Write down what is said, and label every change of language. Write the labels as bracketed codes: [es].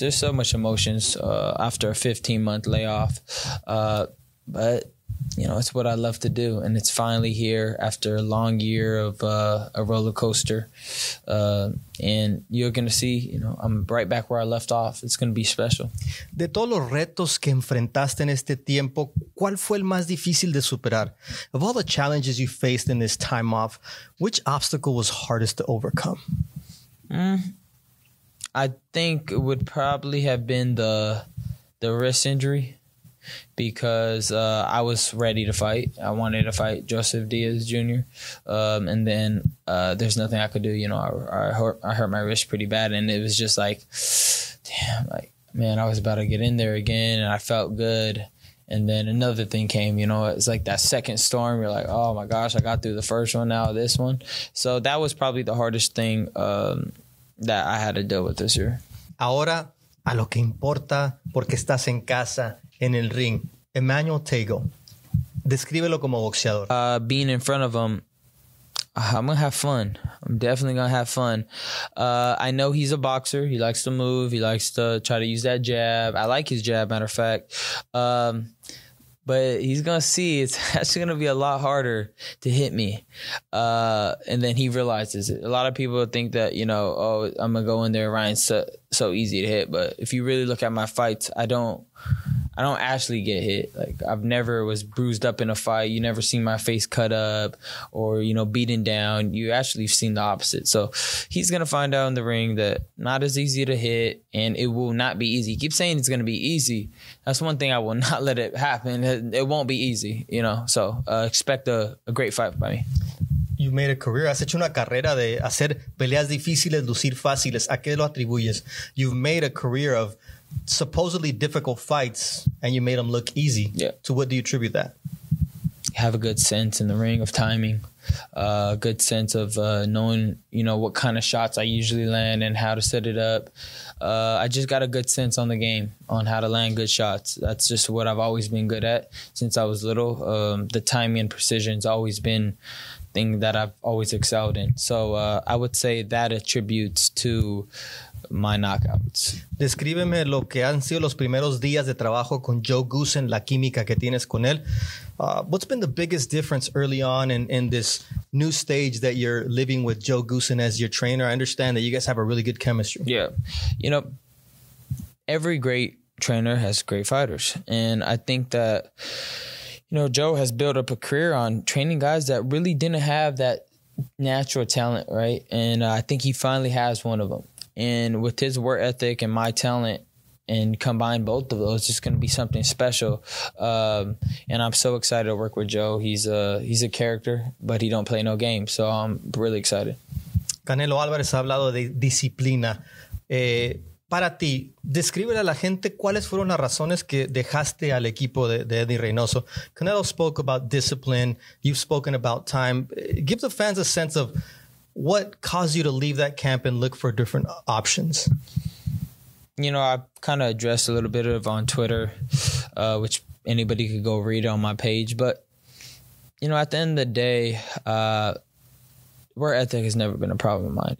[en] There's so much emotions after a 15-month layoff. But, you know, it's what I love to do. And it's finally here after a long year of a roller coaster. And you're going to see, you know, I'm right back where I left off. It's going to be special. [es] De todos los retos que enfrentaste en este tiempo, ¿cuál fue el más difícil de superar? [en] Of all the challenges you faced in this time off, which obstacle was hardest to overcome? I think it would probably have been the wrist injury. Because I was ready to fight. I wanted to fight Joseph Diaz Jr. And then there's nothing I could do. You know, I hurt my wrist pretty bad. And it was just like, damn, like, man, I was about to get in there again. And I felt good. And then another thing came, you know, it's like that second storm. You're like, oh, my gosh, I got through the first one. Now this one. So that was probably the hardest thing that I had to deal with this year. [es] Ahora, a lo que importa, porque estás en casa. En el ring, Emmanuel Tego, descríbelo como boxeador. [en] Being in front of him, I'm going to have fun. I'm definitely going to have fun. I know he's a boxer. He likes to move. He likes to try to use that jab. I like his jab, matter of fact. But he's going to see it's actually going to be a lot harder to hit me. And then he realizes it. A lot of people think that, you know, oh, I'm going to go in there, Ryan's so easy to hit. But if you really look at my fights, I don't actually get hit. Like, I've never was bruised up in a fight. You never seen my face cut up or, you know, beaten down. You actually seen the opposite. So he's going to find out in the ring that not as easy to hit and it will not be easy. Keep saying it's going to be easy. That's one thing I will not let it happen. It won't be easy, you know. So expect a great fight by me. You've made a career. [es] Has hecho una carrera de hacer peleas difíciles, lucir fáciles. ¿A qué lo atribuyes? [en] You've made a career of supposedly difficult fights and you made them look easy. Yeah. To what do you attribute that? Have a good sense in the ring of timing, good sense of knowing, you know, what kind of shots I usually land and how to set it up. I just got a good sense on the game on how to land good shots. That's just what I've always been good at since I was little. The timing and precision's always been thing that I've always excelled in. So I would say that attributes to my knockouts. [es] Descríbeme lo que han sido los primeros días de trabajo con Joe Goosen, la química que tienes con él. [en] What's been the biggest difference early on in this new stage that you're living with Joe Goosen as your trainer? I understand that you guys have a really good chemistry. Yeah. You know, every great trainer has great fighters. And I think that, you know, Joe has built up a career on training guys that really didn't have that natural talent, right? And I think he finally has one of them. And with his work ethic and my talent and combine both of those, it's going to be something special. And I'm so excited to work with Joe. He's a character, but he don't play no game. So I'm really excited. [es] Canelo Álvarez ha hablado de disciplina. Para ti, descríbele a la gente cuáles fueron las razones que dejaste al equipo de Eddie Reynoso. [en] Canelo spoke about discipline. You've spoken about time. Give the fans a sense of what caused you to leave that camp and look for different options? You know, I kind of addressed a little bit of on Twitter, which anybody could go read on my page. But, you know, at the end of the day, work ethic has never been a problem of mine.